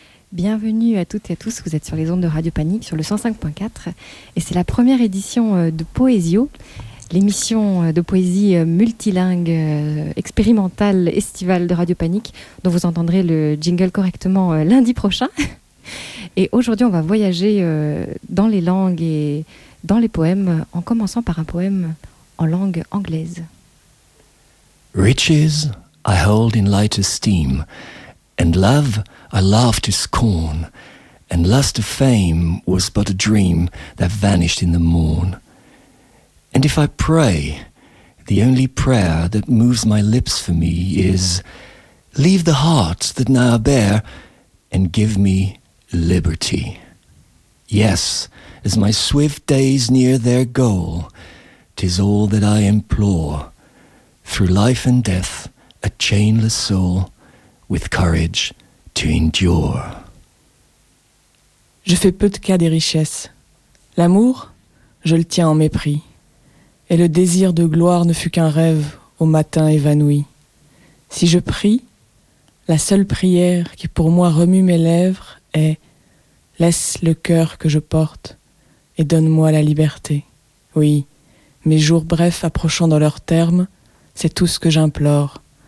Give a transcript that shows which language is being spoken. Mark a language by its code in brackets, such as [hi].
[fr] Bienvenue à toutes et à tous, vous êtes sur les ondes de Radio Panique sur le 105.4 et c'est la première édition de Poésio, l'émission de poésie multilingue expérimentale estivale de Radio Panique dont vous entendrez le jingle correctement lundi prochain. Et aujourd'hui on va voyager dans les langues et dans les poèmes en commençant par un poème en langue anglaise. [en] Riches I hold in light esteem and love I laughed to scorn, and lust of fame was but a dream that vanished in the morn. And if I pray, the only prayer that moves my lips for me is, leave the heart that now I bear, and give me liberty. Yes, as my swift days near their goal, 'tis all that I implore, through life and death, a chainless soul, with courage to endure. [fr] Je fais peu de cas des richesses. L'amour, je le tiens en mépris. Et le désir de gloire ne fut qu'un rêve au matin évanoui. Si je prie, la seule prière qui pour moi remue mes lèvres est « Laisse le cœur que je porte et donne-moi la liberté. » Oui, mes jours brefs approchant dans leur terme, c'est tout ce que j'implore.